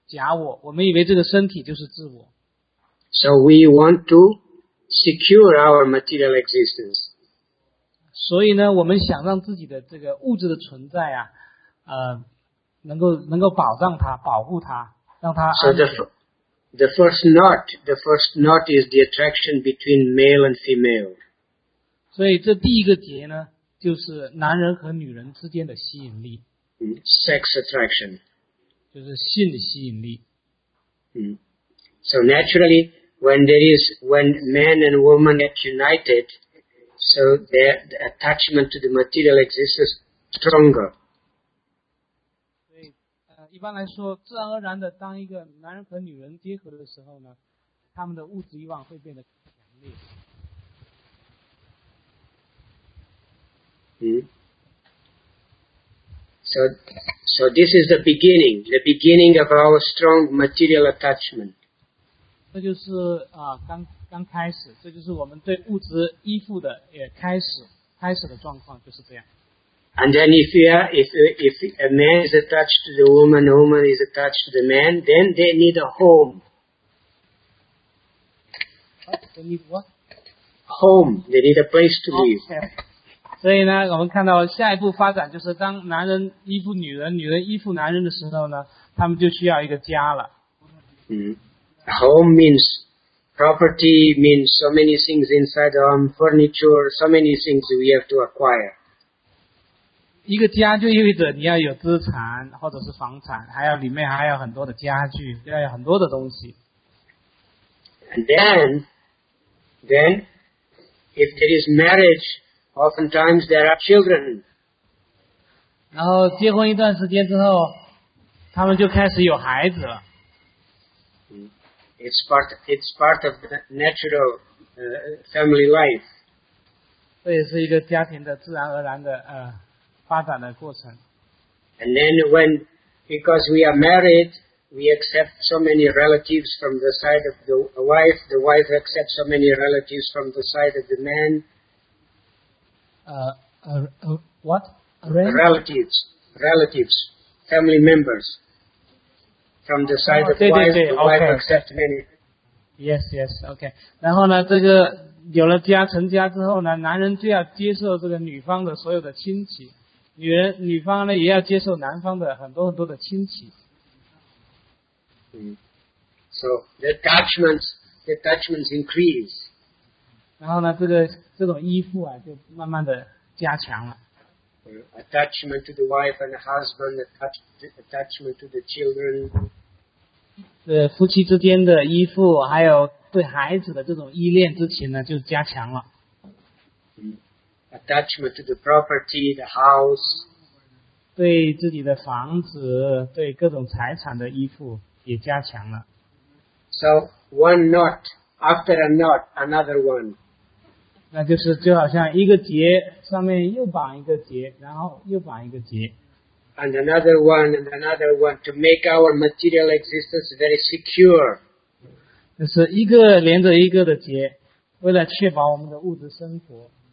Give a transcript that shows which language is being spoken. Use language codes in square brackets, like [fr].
[zh] 这是因为呢，我们对这个身体有一种错误的认同，假我，我们以为这个身体就是自我。 [en] So we want to secure our material existence. [zh] 所以呢，我们想让自己的这个物质的存在啊。能够保障它，保护它，让它安全。 [en] So the first knot is the attraction between male and female. [zh] 所以这第一个结呢，就是男人和女人之间的吸引力。 [en] Sex attraction. [zh] 就是性的吸引力。 [en] So naturally, when man and woman get united, so their attachment to the material exists stronger. [zh] 一般来说，自然而然的，当一个男人和女人结合的时候呢，他们的物质欲望会变得强烈。嗯。 [en] So this is the beginning of our strong material attachment. [zh] 这就是啊，刚开始，这就是我们对物质依附的也开始的状况，就是这样。 [en] And then if a man is attached to the woman, a woman is attached to the man, then they need a home. They need what? Home. They need a place to live. Okay. [zh] 所以呢，我们看到下一步发展就是当男人依附女人，女人依附男人的时候呢，他们就需要一个家了。 [en] 嗯。Home means property, means so many things inside the home, furniture, so many things we have to acquire. [zh] 一个家就意味着你要有资产或者是房产，还要里面还有很多的家具，要有很多的东西。 [en] And then, if there is marriage, oftentimes there are children. [zh] 然后结婚一段时间之后，他们就开始有孩子了。 [en] It's part of the natural, family life. [zh] 这也是一个家庭的自然而然的发展的过程。 [en] And then when, because we are married, we accept so many relatives from the side of the wife, the wife accepts so many relatives from the side of the man. What? Relatives. Relatives. Family members. From the side of the wife, okay. Accept many. Yes, okay. [zh] 然后呢，这个有了家，成家之后呢，男人就要接受这个女方的所有的亲戚。女方呢也要接受男方的很多很多的亲戚。 [en] So the attachments increase. [zh] 然后呢，这种依附啊，就慢慢的加强了。 [en] Attachment to the wife and the husband, attachment to the children. [zh] 夫妻之间的依附，还有对孩子的这种依恋之情呢，就加强了。 [en] Attachment to the property, the house. [zh] 对自己的房子，对各种财产的依附也加强了。 [en] So one knot after a knot, another one. [zh] 那就是就好像一个结上面又绑一个结，然后又绑一个结。 [en] And another one, and another one to make our material existence very secure. [zh] 就是一个连着一个的结，为了确保我们的物质生活。